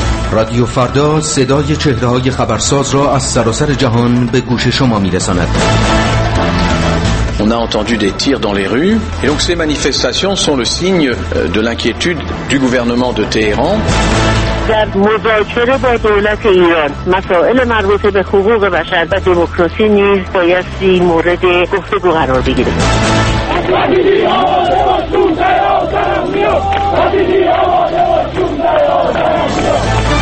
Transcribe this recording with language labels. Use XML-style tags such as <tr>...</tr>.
<fa>رادیو فردا صدای چهره‌های خبرساز را از سراسر جهان به گوش شما می‌رساند.</fa> <fr>On a entendu des tirs dans les rues et donc ces manifestations sont le signe de l'inquiétude du gouvernement de Téhéran.</fr> <fa>در مذاکره با دولت ایران مسائل مربوط به حقوق بشر و دموکراسی نیز بایستی مورد گفتگو قرار بگیره.</fa> <en>We'll be right back.</en>